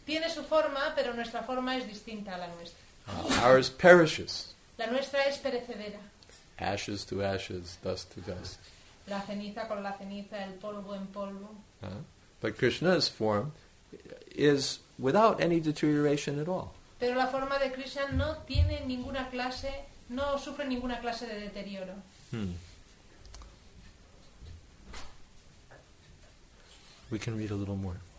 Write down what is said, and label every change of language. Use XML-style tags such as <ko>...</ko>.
<es>Tiene su forma, pero nuestra forma es distinta a la nuestra.</es> <en>Ours perishes.</en> <es>La nuestra es perecedera.</es> <en>Ashes to ashes, dust to dust.</en> <es>La ceniza con la ceniza, el polvo en polvo.</es> <en>But Krishna's form is without any deterioration at all.</en> <es>Pero la forma de Krishna no tiene ninguna clase, no sufre ninguna clase de deterioro.</es> <en>We can read a little more.</en>